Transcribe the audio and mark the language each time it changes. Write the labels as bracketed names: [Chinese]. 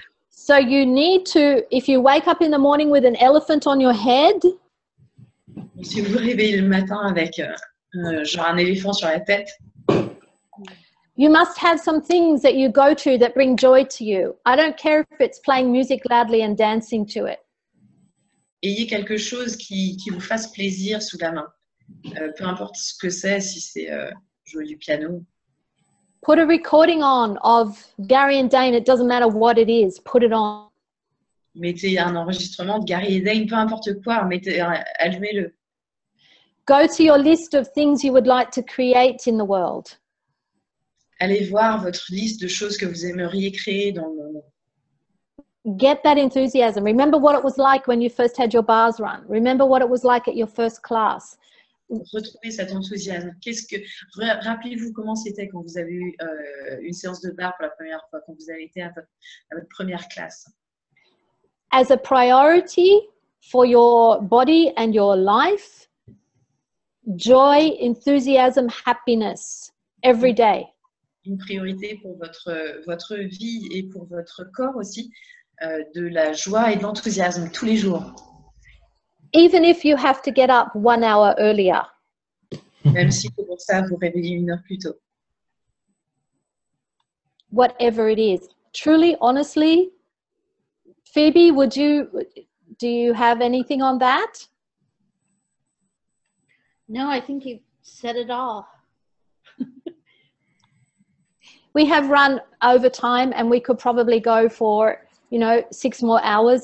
[English] So you need to, if you wake up in the morning with an elephant on your head, [French] si vous vous réveillez le matin avec genre un éléphant sur la tête, [English] You must have some things that you go to that bring joy to you. I don't care if it's playing music loudly and dancing to it. [French] Ayez quelque chose qui vous fasse plaisir sous la main. Peu importe ce que c'est, si c'est jouer du piano. [English] Put a recording on of Gary and Dane. It doesn't matter what it is. Put it on. [French] Mettez un enregistrement de Gary et Dane, peu importe quoi. Allumez-le. [English] Go to your list of things you would like to create in the world. [French] Allez voir votre liste de choses que vous aimeriez créer dans le monde. [English] Get that enthusiasm. Remember what it was like when you first had your bars run. Remember what it was like at your first class. [French] Retrouvez cet enthousiasme. Rappelez-vous comment c'était quand vous avez eu une séance de bar pour la première fois, quand vous avez été à votre première classe. [English] As a priority for your body and your life, joy, enthusiasm, happiness, every day. [French] Une priorité pour votre vie et pour votre corps aussi, de la joie et de l'enthousiasme tous les jours. [English] Even if you have to get up 1 hour earlier. [French] Même si pour ça vous réveillez une heure plus tôt. [English] Whatever it is. Truly, honestly, Phoebe, do you have anything on that? No, I think you've said it all. We have run over time and we could probably go for, you know, 6 more hours.